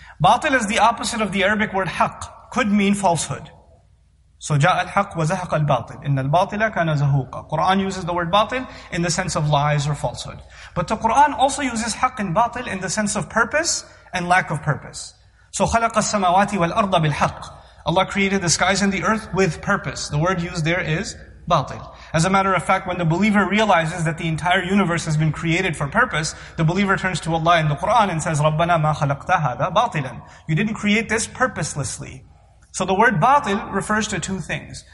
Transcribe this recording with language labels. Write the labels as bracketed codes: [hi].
[en] Batil is the opposite of the Arabic word haqq, could mean falsehood. [ar] So جاء الحق وزهق الباطل. إن الباطل كان زهوقا. [en] Quran uses the word batil in the sense of lies or falsehood. But the Quran also uses حق and batil in the sense of purpose and lack of purpose. [ar] So خلق السماوات والأرض بالحق. [en] Allah created the skies and the earth with purpose. The word used there is batil. As a matter of fact, when the believer realizes that the entire universe has been created for purpose, the believer turns to Allah in the Quran and says, [ar] ربنا ما خلقت هذا باطلا. [en] You didn't create this purposelessly. So the word batil refers to two things.